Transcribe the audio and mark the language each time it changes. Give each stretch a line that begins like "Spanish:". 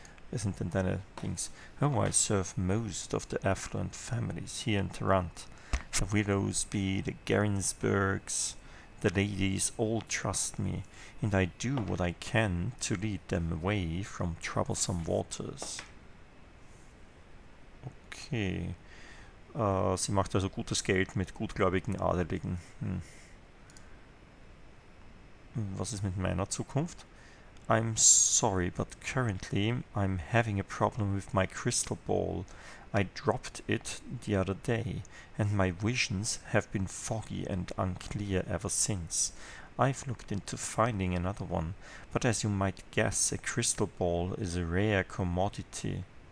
German: Wer sind denn deine Dings?
English: Oh, I serve most of the affluent families here in Tarant. The Willowsby, the Gerinsbergs. The ladies all trust me, and I do what I can to lead them away from troublesome waters. Okay.
German: Sie macht also gutes Geld mit gutgläubigen Adeligen. Was ist mit meiner Zukunft?
English: I'm sorry, but currently I'm having a problem with my crystal ball. I dropped it the other day, and my visions have been foggy and unclear ever since. I've looked into finding another one, but as you might guess, a crystal ball is a rare commodity.